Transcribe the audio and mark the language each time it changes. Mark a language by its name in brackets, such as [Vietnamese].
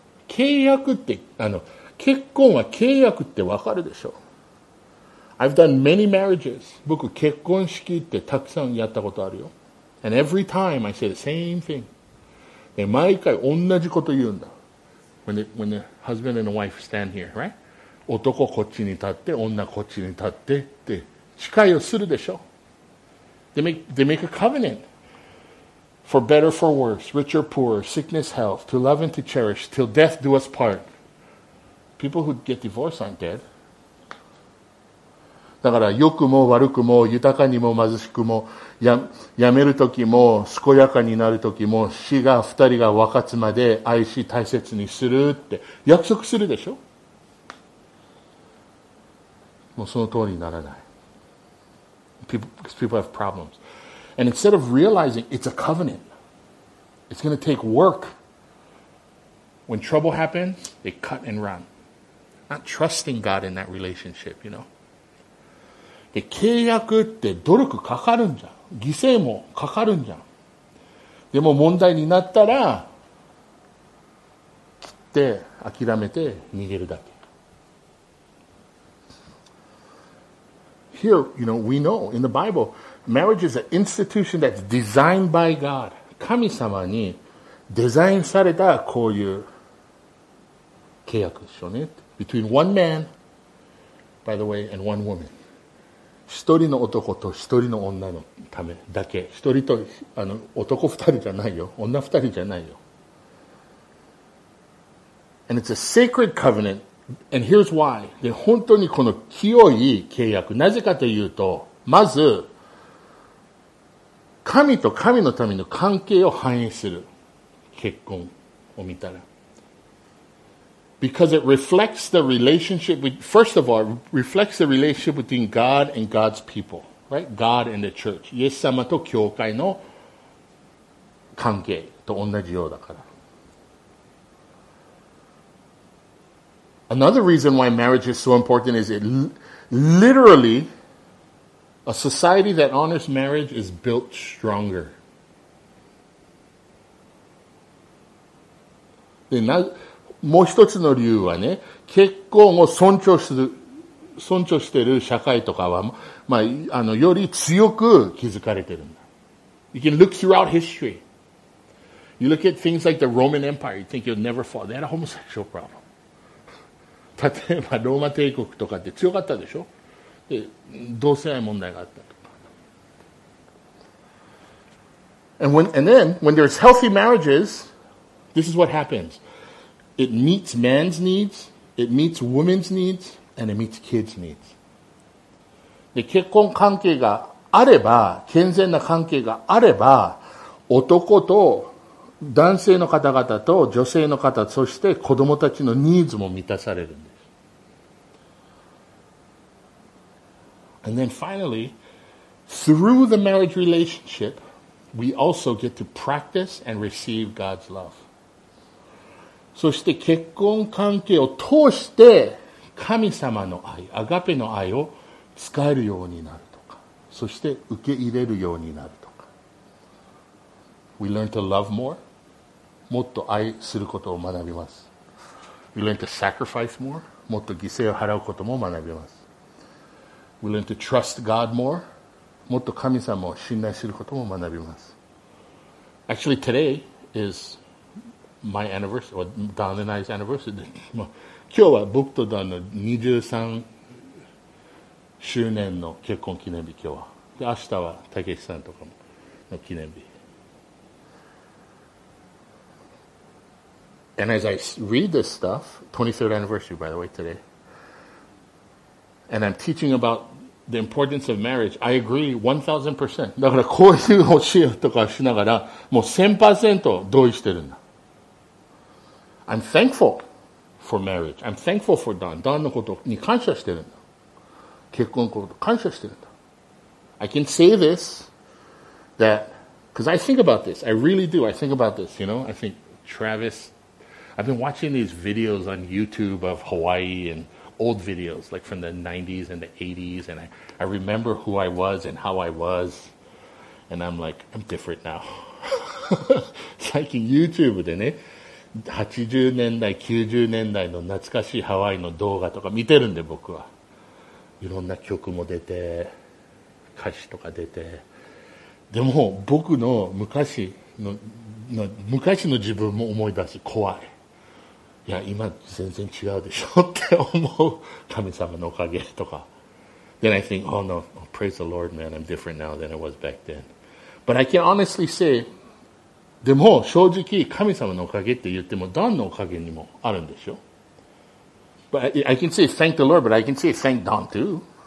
[Japanese] 契約って、結婚は契約ってわかるでしょ? [English] I've done many marriages. [Japanese] 僕結婚式ってたくさんやったことあるよ。 [English] And every time I say the same thing. [Japanese] で、毎回同じこと言うんだ。 [English] When the husband and the wife stand here, right? [Japanese] 男こっちに立って、女こっちに立ってって誓いをするでしょ。 [English] They make a covenant. For better, for worse, rich or poor, sickness, health, to love and to cherish, till death do us part. People who get divorced aren't dead. [Japanese] だから良くも悪くも豊かにも貧しくも やめるときも健やかになるときも死が二人が分かつまで愛し大切にするって約束するでしょもうその通りにならない [English] people have problems and instead of realizing it's a covenant it's going to take work when trouble happens they cut and run not trusting God in that relationship you know [Japanese] で契約って努力かかるんじゃん犠牲もかかるんじゃんでも問題になったら切って諦めて逃げるだけ [English] here, you know, we know in the Bible, marriage is an institution that's designed by God. [Japanese] 神様にデザインされたこういう契約でしょうね。 [English] Between one man, by the way, and one woman. [Japanese] 一人の男と一人の女のためだけ。一人と男二人じゃないよ。女二人じゃないよ。 [English] And it's a sacred covenant. And here's why. [Japanese] で、本当にこの清い契約。なぜかというと、まず、神と神のための関係を反映する。結婚を見たら。 [English] Because it reflects the relationship with, first of all, reflects the relationship between God and God's people. Right? God and the church. [Japanese] イエス様と教会の関係と同じようだから。 [English] Another reason why marriage is so important is it literally, a society that honors marriage is built stronger. [Japanese] で、もう一つの理由はね、結婚を尊重してる社会とかは、まあ、より強く築かれてるんだ。 [English] You can look throughout history. You look at things like the Roman Empire, you think you'll never fall. They had a homosexual problem. [Japanese] 例えばローマ帝国とかって強かったでしょ。で、同性愛問題があったとか。 [English] And then when there's healthy marriages, this is what happens. It meets man's needs, it meets woman's needs, and it meets kids' needs. [Japanese] で、結婚関係があれば、健全な関係があれば、男と男性の方々と女性の方、そして子供たちのニーズも満たされる。 [English] And then finally, through the marriage relationship, we also get to practice and receive God's love. [Japanese] そして結婚関係を通して神様の愛、アガペの愛を使えるようになるとか、そして受け入れるようになるとか。 [English] We learn to love more. [Japanese] もっと愛することを学びます。 [English] We learn to sacrifice more. [Japanese] もっと犠牲を払うことも学びます。 [English] We learn to trust God more. [Japanese] もっと神様を信頼することも学びます。 [English] Actually, today is my anniversary, or Don and I's anniversary. [Japanese] 今日は僕とダンの23周年の結婚記念日、今日は。で、明日はたけしさんとかの記念日。 [English] And as I read this stuff, 23rd anniversary, by the way, today,And I'm teaching about the importance of marriage. I agree 1000%. [Japanese] だからこういう教えとかしながら、もう 1000% 同意してるんだ。 [English] I'm thankful for marriage. I'm thankful for Don. Don [Japanese] のことに感謝してるんだ。結婚のこと感謝してるんだ。 [English] I can say this, that, because I think about this. I really do. I think about this, you know. I think Travis, I've been watching these videos on YouTube of Hawaii andold videos, like from the 90s and the 80s, and I remember who I was and how I was, and I'm like, I'm different now. It's like [Japanese] YouTube でね、80年代、90年代の懐かしいハワイの動画とか見てるんで僕は。いろんな曲も出て、歌詞とか出て。でも僕の昔の自分も思い出す、怖い。いや、今全然違うでしょって思う。神様のおかげとか。 [English] Then I think, oh no, oh, praise the Lord, man, I'm different now than I was back then. But I can honestly say, [Japanese] でも正直神様のおかげって言っても、ダンのおかげにもあるんでしょ [English] ?But I can say thank the Lord, but I can say thank Don too.